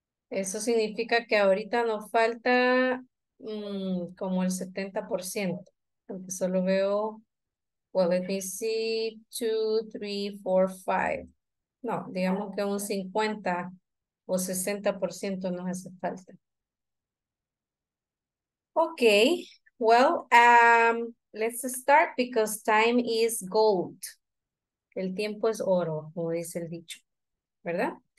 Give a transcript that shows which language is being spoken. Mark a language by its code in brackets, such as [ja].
[es] Eso significa que ahorita nos falta como el 70%. Porque solo veo, [en] well, let me see, 2, 3, 4, 5. [es] No, digamos que un 50 o 60% nos hace falta. [en] Ok, well, let's start because time is gold. [es] El tiempo es oro, como dice el dicho, ¿verdad?